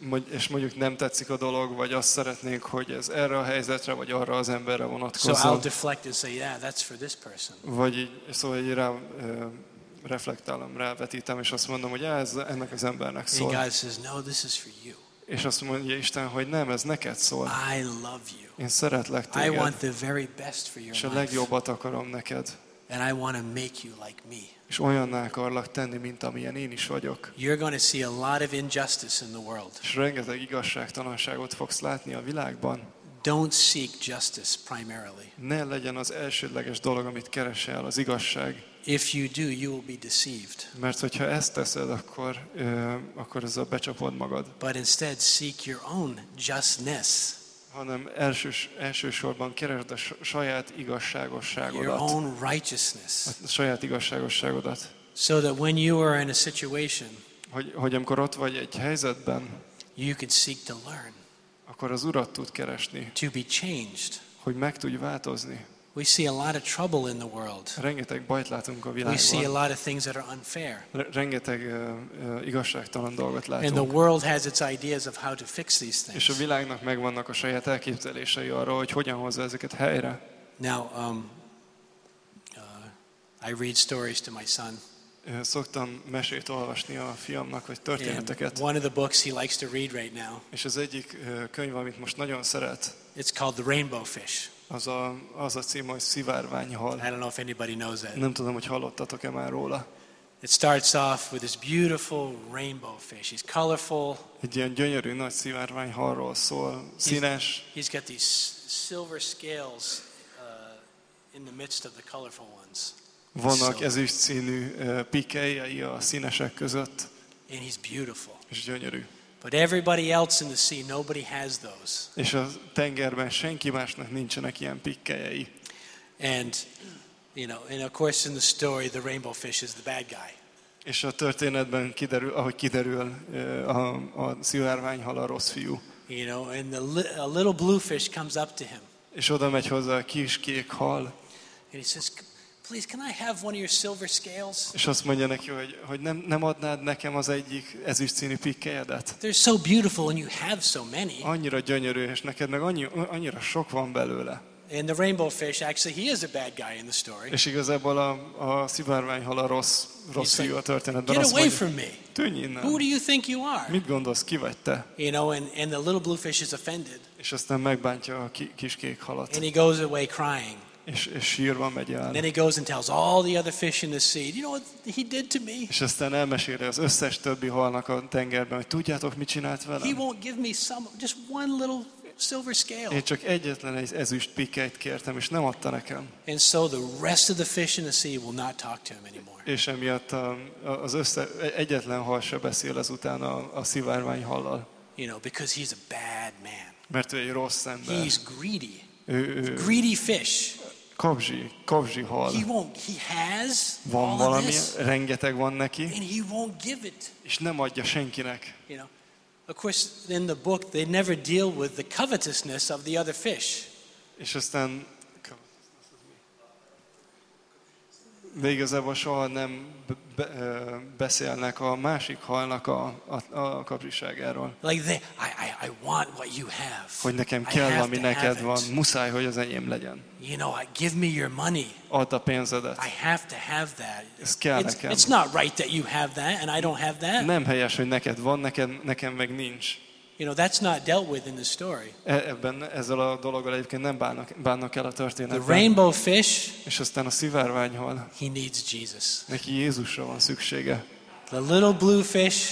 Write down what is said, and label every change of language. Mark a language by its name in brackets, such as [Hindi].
[Hungarian] És mondjuk nem tetszik a dolog, vagy azt szeretnék, hogy ez erre a helyzetre, vagy arra az emberre vonatkozzon. [English] So I'll deflect and say, yeah, that's for this person. [Hungarian] Vagy így, szóval így rám reflektálom, rávetítem, és azt mondom, hogy ez ennek az embernek szól. [English] And God says, no, this is for you. [Hungarian] És azt mondja Isten, hogy nem, ez neked szól. [English] I love you. [Hungarian] Én szeretlek téged. [English] I want the very best for your life. [Hungarian] És a legjobbat akarom neked. [English] And I want to make you like me. [Hungarian] És olyanná akarlak tenni, mint amilyen én is vagyok. [English] You're going to see a lot of injustice in the world. [Hungarian] És rengeteg igazságtalanságot fogsz látni a világban. [English] Don't seek justice primarily. [Hungarian] Ne legyen az elsődleges dolog, amit keresel, az igazság. [English] If you do, you will be deceived. [Hungarian] Mert hogyha ezt teszed, akkor akkor ez a becsapod magad. [English] But instead seek your own justness. [Hungarian] Hanem elsősorban keresd a saját igazságosságodat. [English] Your own righteousness. [Hungarian] A saját igazságosságodat. [English] So that when you are in a situation, [Hungarian] hogy amikor ott vagy egy helyzetben, [English] you can seek to learn. [Hungarian] Akkor az Urat tud keresni. [English] To be changed. [Hungarian] Hogy meg tudj változni. [English] We see a lot of trouble in the world. [Hungarian] Rengeteg bajt látunk a világban. [English] We see a lot of things that are unfair. [Hungarian] Rengeteg igazságtalan dolgot látunk. [English] And the world has its ideas of how to fix these things. [Hungarian] És a világnak megvannak a saját elképzelései arról, hogy hogyan hozza ezeket helyre. [English] Now, I read stories to my son. [Hungarian] Szoktam mesét olvasni a fiamnak, vagy történeteket. [English] One of the books he likes to read right now. [Hungarian] És az egyik könyv, amit most nagyon szeret. [English] It's called The Rainbow Fish. [Hungarian] Az a cím, hogy szivárványhal. [English] I don't know if anybody knows that. [Hungarian] Nem tudom, hogy hallottatok-e már róla. [English] It starts off with this beautiful rainbow fish. He's colorful. [Hungarian] Egy ilyen gyönyörű nagy szivárványhalról szól, színes. [English] He's got these silver scales in the midst of the colorful ones. [Hungarian] Vannak ezüst színű pikkelyei a színesek között. [English] And he's beautiful. [Hungarian] És gyönyörű. [English] But everybody else in the sea, nobody has those. [Hungarian] És a tengerben senki másnak nincsenek ilyen pikkelyei. [English] And and of course in the story the rainbow fish is the bad guy. [Hungarian] És a történetben kiderül a szivárványhal a rossz fiú. [English] And a little blue fish comes up to him. [Hungarian] És oda megy hozzá a kis kék hal. [English] And he says, please, can I have one of your silver scales? [Hungarian] És azt mondja neki, hogy nem adnád nekem az egyik ezüst színű pikkelyedet. [English] They're so beautiful and you have so many. [Hungarian] Annyira gyönyörű, és neked meg annyira sok van belőle. [English] And the rainbow fish, actually he is a bad guy in the story. [Hungarian] És igazából a szivárványhal a rossz fiú a történetben. [English] Get away from me. [Hungarian] Tűnj innen. [English] Who do you think you are? [Hungarian] Mit gondolsz, ki vagy te? [English] And the little blue fish is offended. [Hungarian] És aztán megbántja a kis kék halat. [English] And he goes away crying. [Hungarian] És sírva megy el. [English] Then he goes and tells all the other fish in the sea, you know what he did to me? [Hungarian] És aztán elmeséli az összes többi halnak a tengerben, hogy tudjátok, mit csinált velem? [English] He won't give me just one little silver scale. [Hungarian] Én csak egyetlen egy ezüst pikkelyt kértem, és nem adta nekem. [English] And so the rest of the fish in the sea will not talk to him anymore. [Hungarian] És emiatt egyetlen hal se beszél ezután a szivárvány hallal. [English] Because he's a bad man. [Hungarian] Mert ő egy rossz ember. [English] He's greedy. Greedy fish. [Hungarian] Kapzsi hal. [English] He has. [Hungarian] Van [English] all [Hungarian] valami, [English] of this, [Hungarian] rengeteg van neki. [English] And he won't give it. [Hungarian] És nem adja senkinek. [English] Of course, in the book they never deal with the covetousness of the other fish. [Hungarian] És aztán de igazából soha nem beszélnek a másik halnak a kapzsiságáról. [English] Like I want what you have. [Hungarian] Hogy nekem kell, ami neked van. Muszáj, hogy az enyém legyen. [English] Give me your money. [Hungarian] Add a pénzedet. [English] I have to have that. [Hungarian] Ez kell nekem. [English] It's not right that you have that and I don't have that. [Hungarian] Nem helyes, hogy neked van, nekem meg nincs. [English] That's not dealt with in the story. [Hungarian] Ebben ezzel a dologgal egyébként nem bánnak el a történetben. [English] The rainbow fish. [Hungarian] És aztán a szivárványhal. [English] He needs Jesus. [Hungarian] Neki Jézusra van szüksége. [English] The little blue fish.